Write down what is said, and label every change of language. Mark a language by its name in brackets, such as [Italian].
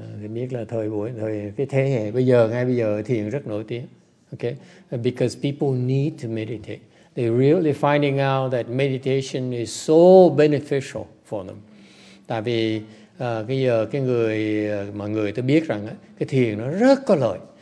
[Vietnamese] Thì biết là thời cái thế hệ bây giờ, ngay bây giờ thiền rất nổi tiếng. [English] Okay, because people need to meditate. They're really finding out that meditation is so beneficial for them. [Vietnamese] Tại vì cái giờ cái người mà người ta biết rằng cái thiền nó rất có lợi.